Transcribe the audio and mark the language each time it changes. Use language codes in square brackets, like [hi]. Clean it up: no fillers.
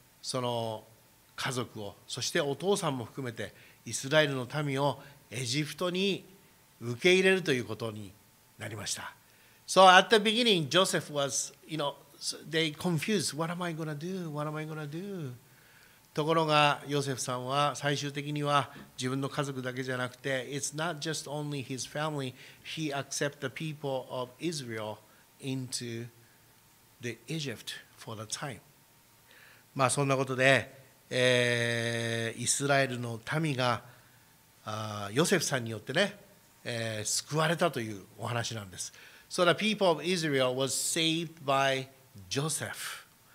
[ja] その家族を、そしてお父さんも含めてイスラエルの民をエジプトに受け入れるということになりました。 [en] So at the beginning, Joseph was, you know, they confused. What am I gonna do? What am I gonna do? [ja] ところがヨセフさんは最終的には自分の家族だけじゃなくて、 [en] It's not just only his family. He accepted the people of Israel into the Egypt for the time. [ja] まあそんなことで、イスラエルの民がヨセフさんによってね、救われたというお話なんです。 [en] So the people of Israel was saved by Joseph.